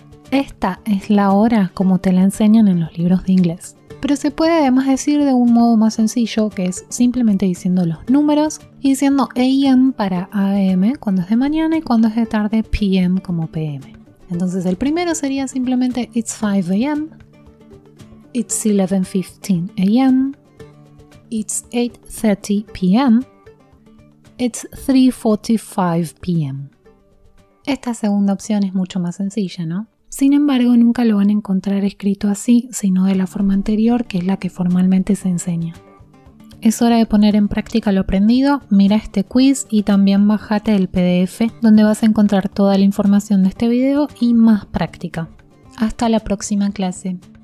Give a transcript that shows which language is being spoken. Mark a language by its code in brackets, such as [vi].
[es] Esta es la hora como te la enseñan en los libros de inglés. Pero se puede además decir de un modo más sencillo, que es simplemente diciendo los números y diciendo AM para AM cuando es de mañana, y cuando es de tarde, PM como PM. Entonces, el primero sería simplemente [en] it's 5 AM, it's 11:15 AM, it's 8:30 PM, it's 3:45 PM. [es] Esta segunda opción es mucho más sencilla, ¿no? Sin embargo, nunca lo van a encontrar escrito así, sino de la forma anterior, que es la que formalmente se enseña. Es hora de poner en práctica lo aprendido. Mira este quiz y también bájate el PDF, donde vas a encontrar toda la información de este video y más práctica. Hasta la próxima clase.